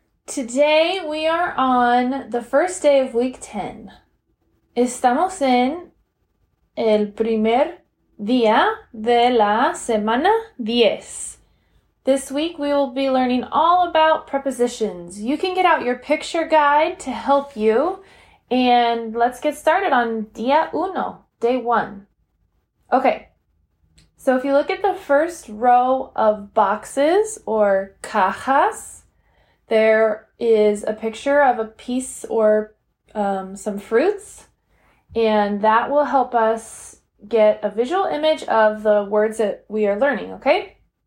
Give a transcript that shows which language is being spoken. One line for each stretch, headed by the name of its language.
English: Today we are on the first day of week 10.
Spanish: Estamos en el primer día de la semana 10.
English: This week we will be learning all about prepositions. You can get out your picture guide to help you. And let's get started on
Spanish: día uno,
English: day one. Okay. So if you look at the first row of boxes or cajas, there is a picture of a piece or some fruits, and that will help us get a visual image of the words that we are learning, okay?